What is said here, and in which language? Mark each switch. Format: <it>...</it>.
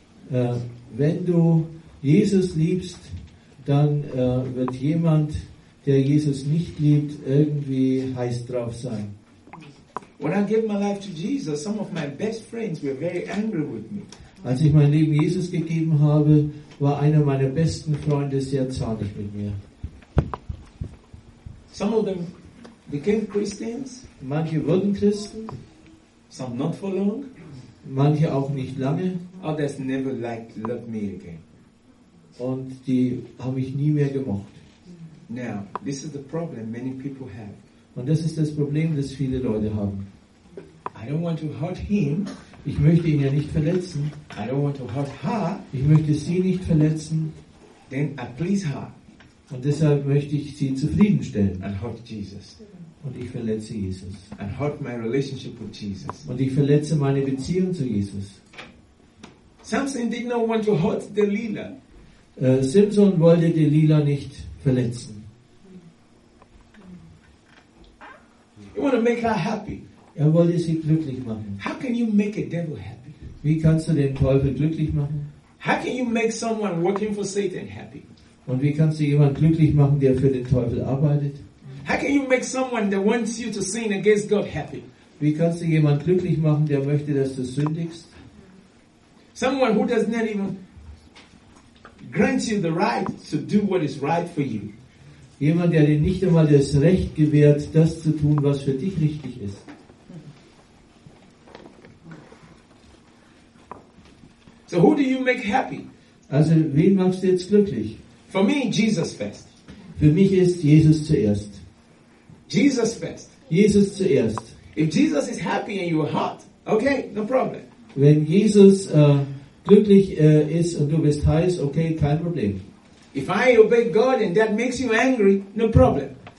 <de>Wenn du Jesus liebst, dann wird jemand, der Jesus nicht liebt, irgendwie heiß drauf sein.</de> <en>When I gave my life to Jesus, some of my best friends were very angry with me.</en> <de>Als ich mein Leben Jesus gegeben habe, war einer meiner besten Freunde sehr zornig mit mir.</de> <en>Some of them became Christians.</en> <de>Manche wurden Christen.</de> <en>Some not for long.</en> <de>Manche auch nicht lange.</de> <en>Others never liked love me again.</en> <de>Und die habe ich nie mehr gemocht.</de> <en>Now, this is the problem many people have.</en> <de>Und das ist das Problem, das viele Leute haben.</de> <en>I don't want to hurt him.</en> <de>Ich möchte ihn ja nicht verletzen.</de> <en>I don't want to hurt her.</en> <de>Ich möchte sie nicht verletzen.</de> <en>Then I please her.</en> <de>Und deshalb möchte ich sie zufriedenstellen.</de> <en>And hurt Jesus.</en> <de>Und ich verletze Jesus.</de> <en>And hurt my relationship with Jesus.</en> <de>Und ich verletze meine Beziehung zu Jesus.</de> <en>Samson did not want to hurt Delilah.</en> <de>Samson wollte Delilah nicht verletzen.</de> <en>You want to make her happy.</en> <de>Er wollte sie glücklich machen.</de> <en>How can you make a devil happy?</en> <de>Wie kannst du den Teufel glücklich machen?</de> <en>How can you make someone working for Satan happy?</en> <de>Und wie kannst du jemanden glücklich machen, der für den Teufel arbeitet?</de> <en>How can you make someone that wants you to sin against God happy?</en> <de>Wie kannst du jemanden glücklich machen, der möchte, dass du sündigst?</de> <en>Someone who does not even grant you the right to do what is right for you.</en> <de>Jemand, der dir nicht einmal das Recht gewährt, das zu tun, was für dich richtig ist.</de> <en>So who do you make happy?</en> <de>Also, wen machst du jetzt glücklich?</de> <en>For me, Jesus first.</en> <de>Für mich ist Jesus zuerst.</de> <en>Jesus first.</en> <de>Jesus zuerst.</de> <en>If Jesus is happy and you are hot, okay, no problem.</en> <de>Wenn Jesus glücklich ist und du bist heiß, okay, kein Problem.</de> <en>If I obey God and that makes you angry, no problem.</en>